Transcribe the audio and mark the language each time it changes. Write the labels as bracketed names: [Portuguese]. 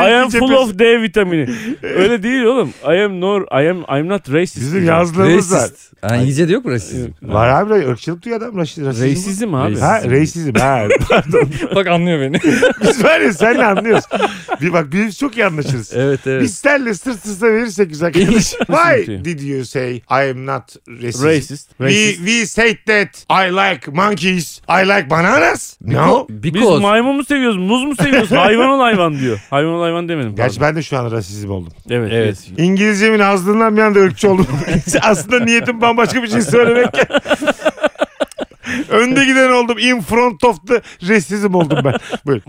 [English] I am full of D vitamini. [Turkish] Öyle değil oğlum. [English] I am no, I'm not racist. [Turkish] Bizim yazdığımız. [English] Racist. [Turkish] Yani İngilizce de yok mu racism? Var abi ırkçılık duyuyor adam. [English] Racism [Turkish] abi. Ha, racism. Ha, bak anlıyor beni. Biz var ya senle anlıyoruz. Bir bak biz çok iyi anlaşırız. Evet evet. Biz senle sırt sırta verirsek güzel kardeş. [English] Why did you say I am not racist? Racist. We said that I like monkeys. I like bananas. No. Because. [Turkish] Biz maymun mu seviyoruz? Muz mu seviyoruz? Hayvan ol hayvan diyor. Hayvan ol hayvan demedim. Gerçi ben de şu an racism oldum. Evet. Evet. İngilizcemin azlığından bir anda ırkçı oldum. Aslında niyetim bambaşka bir şey söylemekken. Önde giden oldum. [English] In front of the racism [Turkish] oldum ben. Buyurun.